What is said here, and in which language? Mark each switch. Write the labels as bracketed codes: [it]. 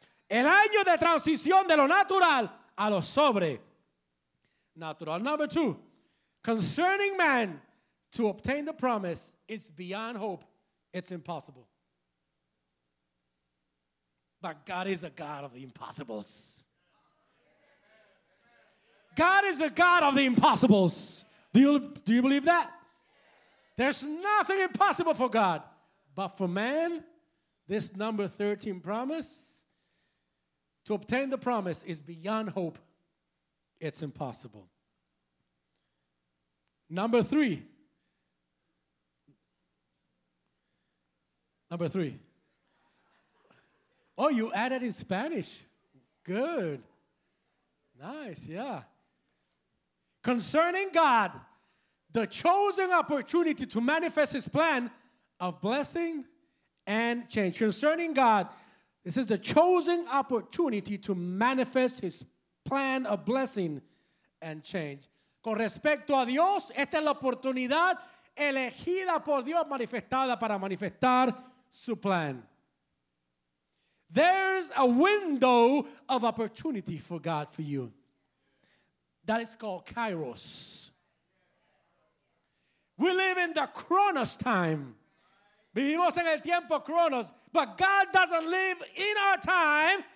[es] El año de transición de lo natural a lo sobrenatural. [en] Number 2. Concerning man, to obtain the promise, it's beyond hope. It's impossible. But God is a God of the impossibles. God is a God of the impossibles. Do you believe that? There's nothing impossible for God. But for man, this number 13 promise, to obtain the promise is beyond hope. It's impossible. Number 3. Number 3. Oh, you added in Spanish. Good. Nice, yeah. Concerning God, the chosen opportunity to manifest his plan of blessing and change. Concerning God, this is the chosen opportunity to manifest his plan of blessing and change. [es] Con respecto a Dios, esta es la oportunidad elegida por Dios, manifestada para manifestar su plan. [en] There's a window of opportunity for God for you. That is called Kairos. We live in the Kronos time. [es] Vivimos en el tiempo Kronos. [en] But God doesn't live in our time.